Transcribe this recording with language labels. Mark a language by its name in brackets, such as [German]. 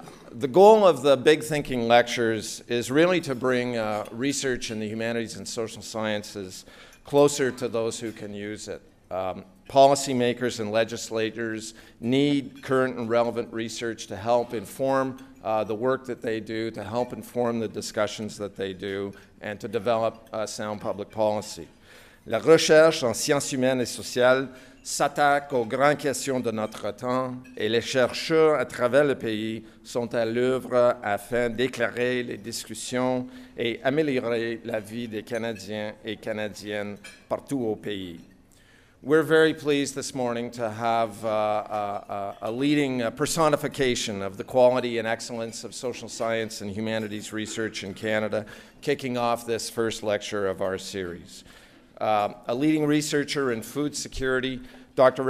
[English] The goal of the Big Thinking Lectures is really to bring research in the humanities and social sciences closer to those who can use it. Policymakers and legislators need current and relevant research to help inform the work that they do, to help inform the discussions that they do, and to develop sound public policy. [French] La recherche en sciences humaines et sociales s'attaque aux grandes questions de notre temps et les chercheurs à travers le pays sont à l'œuvre afin d'éclairer les discussions et améliorer la vie des Canadiens et Canadiennes partout au pays. [English] We're very pleased this morning to have a leading personification of the quality and excellence of social science and humanities research in Canada kicking off this first lecture of our series. A leading researcher in food security, Dr.